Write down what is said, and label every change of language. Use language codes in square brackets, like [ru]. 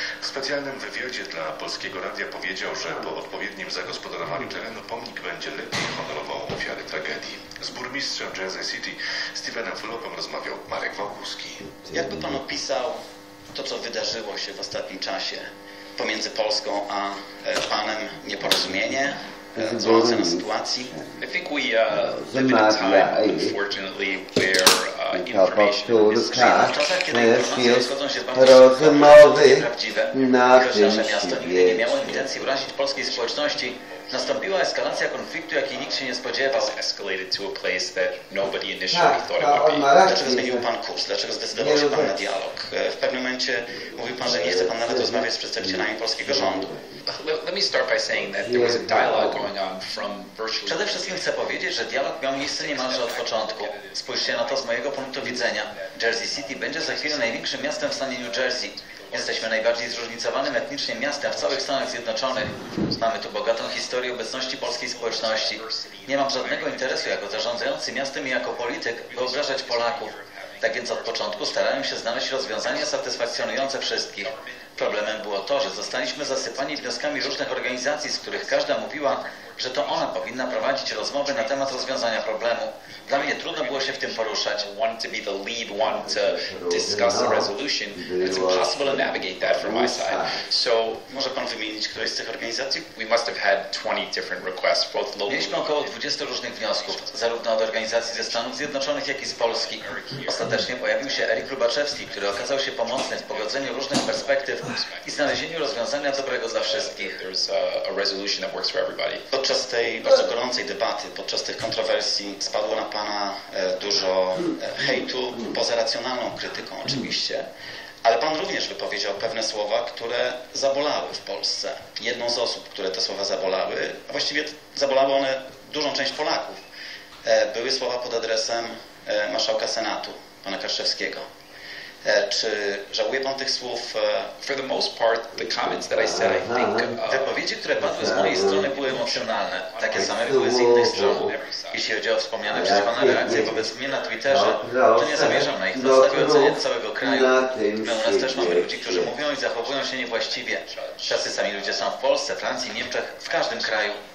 [pl] W specjalnym wywiadzie dla Polskiego Radia powiedział, że po odpowiednim zagospodarowaniu terenu pomnik będzie lepiej honorował ofiary tragedii. Z burmistrzem Jersey City Stephenem Fulopem rozmawiał Marek Wałkuski. Jakby pan opisał to, co wydarzyło się w ostatnim czasie pomiędzy Polską a panem, nieporozumienie, co ocenia sytuacji? [en] I think we live in a time, unfortunately, where information is changed. [pl] Rozmowy na tym świecie. Nie miało intencji urazić polskiej społeczności. Nastąpiła eskalacja konfliktu, jakiej nikt się nie spodziewał. [en] Escalated to a place that nobody initially thought it would be. [pl] Dlaczego zmienił pan kurs? Dlaczego zdecydował się pan na dialog? W pewnym momencie mówił pan, że nie chce pan nawet rozmawiać z przedstawicielami polskiego rządu. [en] Let me start by saying that there was a dialogue going on from virtually. [pl] Przede wszystkim chcę powiedzieć, że dialog miał miejsce niemalże od początku. Spójrzcie na to z mojego punktu widzenia. Jersey City będzie za chwilę największym miastem w stanie New Jersey. Jesteśmy najbardziej zróżnicowanym etnicznie miastem w całych Stanach Zjednoczonych. Mamy tu bogatą historię obecności polskiej społeczności. Nie mam żadnego interesu jako zarządzający miastem i jako polityk wyobrażać Polaków. Tak więc od początku starałem się znaleźć rozwiązania satysfakcjonujące wszystkich. Problemem było to, że zostaliśmy zasypani wnioskami różnych organizacji, z których każda mówiła, że to ona powinna prowadzić rozmowy na temat rozwiązania problemu. Dla mnie trudno było się w tym poruszać. [en] Wanted to be the lead one to discuss a resolution. It's impossible to navigate that from my side. So, [pl] może pan wymienić któreś z tych organizacji? [en] We must have had 20 different requests, both local. [pl] Mieliśmy około 20 różnych wniosków, zarówno od organizacji ze Stanów Zjednoczonych, jak i z Polski. Ostatecznie pojawił się Erik Lubaczewski, który okazał się pomocny w pogodzeniu różnych perspektyw i znalezieniu rozwiązania dobrego dla wszystkich. [en] There's a resolution that works for everybody. [pl] Podczas tej bardzo gorącej debaty, podczas tych kontrowersji spadło na pana dużo hejtu, poza racjonalną krytyką oczywiście, ale pan również wypowiedział pewne słowa, które zabolały w Polsce. Jedną z osób, które te słowa zabolały, a właściwie zabolały one dużą część Polaków, były słowa pod adresem marszałka Senatu, pana Karszewskiego. Czy żałuje pan tych słów? [en] For the most part, the comments that I said, I think. [pl] Wypowiedzi, które padły z mojej strony, były emocjonalne. Takie same były z innych stron. Jeśli chodzi o wspomniane przez pana reakcje wobec mnie na Twitterze, to nie zamierzam na ich podstawie ocenić całego kraju. My u nas też mamy ludzi, którzy mówią i zachowują się niewłaściwie. Tacy sami ludzie są w Polsce, Francji, Niemczech, w każdym kraju.